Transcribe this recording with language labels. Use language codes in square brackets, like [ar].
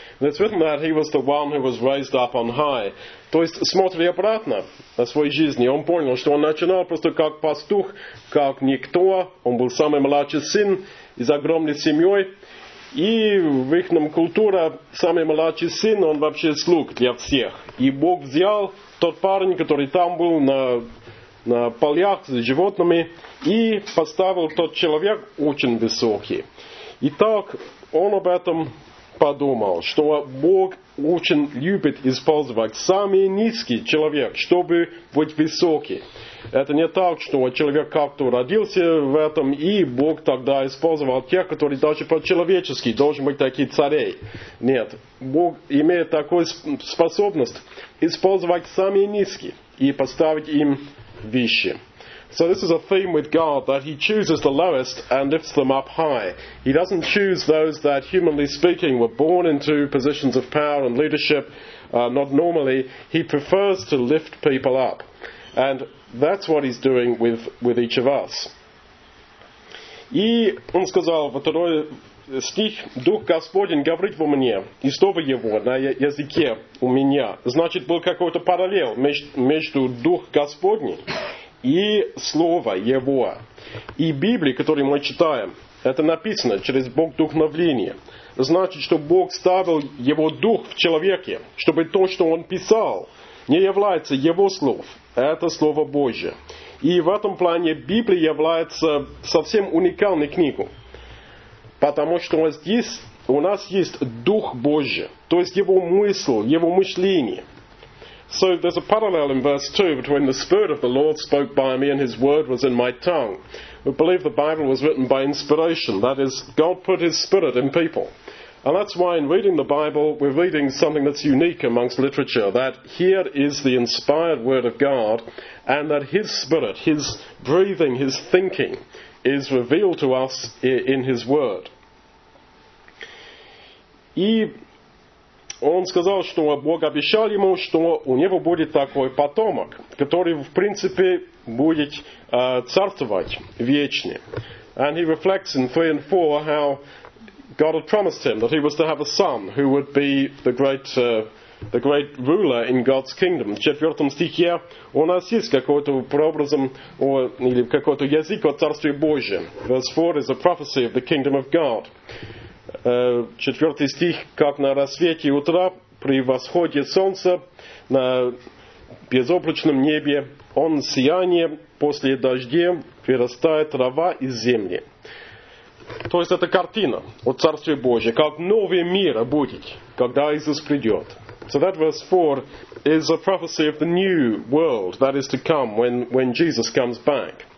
[en] And it's written that he was the one who was raised up on high. [ru] То есть, смотри обратно на свою жизнь, он понял, что он начинал просто как пастух, как никто. Он был самый младший сын из огромной семьи. И в их культуре самый младший сын, он вообще слуг для всех. И Бог взял тот парень, который там был на полях с животными, и поставил тот человек очень высокий. Итак, он об этом подумал, что Бог очень любит использовать самый низкий человек, чтобы быть высокий. Это не так, что человек как-то родился в этом, и Бог тогда использовал тех, которые даже по-человечески должны быть такие царей. Нет, Бог имеет такую способность использовать самый низкий и поставить им вещи. [en] So this is a theme with God, that he chooses the lowest and lifts them up high. He doesn't choose those that, humanly speaking, were born into positions of power and leadership, not normally. He prefers to lift people up. And that's what he's doing with each of us. [ru] И он сказал во второй стих, «Дух Господень говорит во мне, и слово его на языке у меня». Значит, был какой-то параллел между Духом Господним и Слово Его. И Библия, которую мы читаем, это написано через Бог вдохновление. Значит, что Бог ставил Его Дух в человеке, чтобы то, что Он писал, не является Его слов. Это Слово Божие. И в этом плане Библия является совсем уникальной книгой. Потому что у нас есть Дух Божий. То есть Его мысль, Его мышление. [en] So there's a parallel in verse 2 between the Spirit of the Lord spoke by me and His word was in my tongue. We believe the Bible was written by inspiration. That is, God put His Spirit in people. And that's why in reading the Bible, we're reading something that's unique amongst literature, that here is the inspired word of God and that His Spirit, His breathing, His thinking is revealed to us in His word. [ru] Он сказал, что Бог обещал ему, что у него будет такой потомок, который, в принципе, будет царствовать вечно. [en] And he reflects in 3 and 4 how God had promised him that he was to have a son who would be the great ruler in God's kingdom. [ru] В 4 стихе у нас есть какой-то прообразом или какой-то язык о Царстве Божьем. [en] Verse 4 is a prophecy of the kingdom of God. [ru] 4 стих, как на рассвете утра, при восходе солнца, на безоблачном небе, он сияние после дождя, вырастает трава из земли. То есть это картина о Царстве Божьем, как новый мир будет, когда Иисус придет. [en] So that verse 4 is a prophecy of the new world that is to come when Jesus comes back.